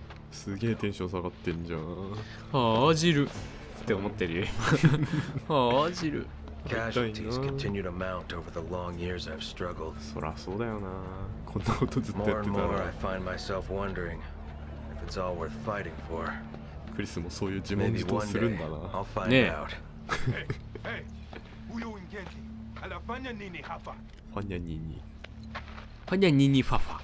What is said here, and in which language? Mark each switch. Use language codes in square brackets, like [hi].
[ja] すげえテンション下がってんじゃん。はあ、ジルって思ってるよ。はあ、ジル。 [en] Casualties continue to mount over the long years I've struggled. [ja] そらそうだよな。こんなことずっとやってたら。 [en] More and more, I find myself wondering if it's all worth fighting for. [ja] クリスもそういう自問自答するんだな。 [en] I'll find out. Hey, hey, ファニャニニファファ。